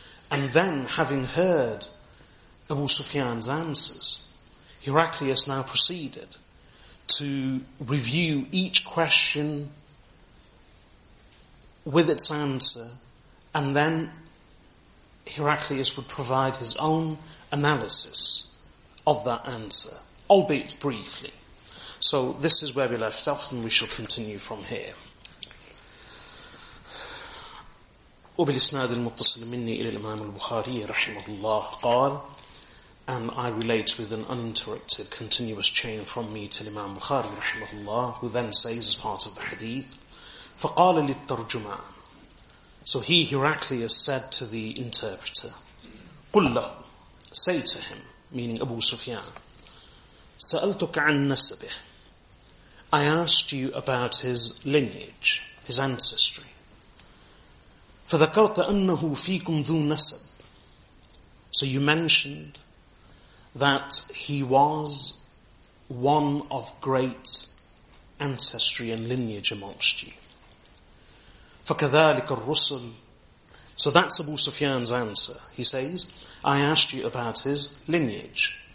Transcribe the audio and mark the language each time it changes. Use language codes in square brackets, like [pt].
[en] And then, having heard Abu Sufyan's answers, Heraclius now proceeded to review each question with its answer. And then Heraclius would provide his own analysis of that answer, albeit briefly. So this is where we left off, and we shall continue from here. [ar] وبالإسناد المتصل مني إلى الإمام البخاري رحمه الله قال. [en] And I relate with an uninterrupted continuous chain from me to Imam Bukhari رحمه الله, who then says as part of the hadith, [ar] فقال للترجمان. [en] So he, Heraclius, said to the interpreter, [ar] قل له, [en] say to him, meaning Abu Sufyan, [ar] سألتك عن نسبه, [en] I asked you about his lineage, his ancestry. [ar] فذكرت أنه فيكم ذو نسب. [en] So you mentioned that he was one of great ancestry and lineage amongst you. [ar] فَكَذَٰلِكَ الرُّسُلِ [en] So that's Abu Sufyan's answer. He says, I asked you about his lineage.